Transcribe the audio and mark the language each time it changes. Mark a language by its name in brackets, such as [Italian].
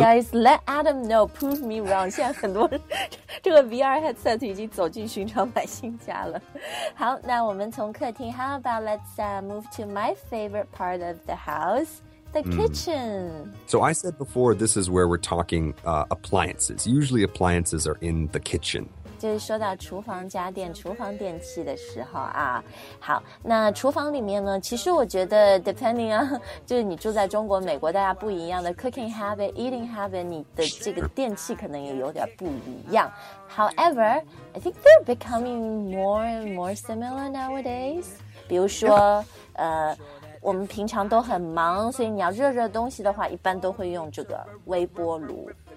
[English] guys, let Adam know, prove me wrong. [Chinese] 现在很多人这个 VR headset 已经走进寻常百姓家了。好那我们从客厅 [English] how about let's move to my favorite part of the house? The kitchen. So I said before, this is where we're talking appliances. Usually appliances are in the kitchen. [Chinese] 就是说到厨房家电、厨房电器的时候啊。好，那厨房里面呢，其实我觉得 [English] depending on, [Chinese] 就是你住在中国、美国，大家不一样的 [English] cooking habit, eating habit, [Chinese] 你的这个电器可能也有点不一样。 [English] However, I think they're becoming more and more similar nowadays. [Chinese] 比如说、我们平常都很忙所以你要热热东西的话一般都会用这个微波炉